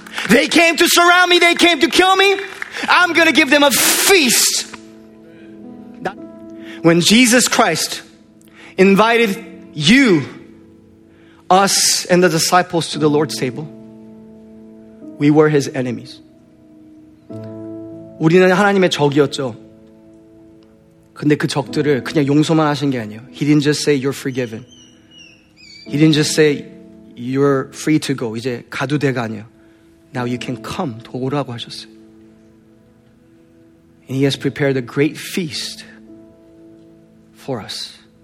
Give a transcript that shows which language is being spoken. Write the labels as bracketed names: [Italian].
[English] They came to surround me. They came to kill me. I'm going to give them a feast. When Jesus Christ invited you, us, and the disciples to the Lord's table, We were his enemies. [Korean] 우리는 하나님의 적이었죠. 근데 그 적들을 그냥 용서만 하신 게 아니에요. [English] He didn't just say you're forgiven. He didn't just say you're free to go. [Korean] 이제 가도 돼가 아니에요. [English] Now you can come. [Korean] 돌아오라고 하셨어요. [English] And he has prepared a great feast for us.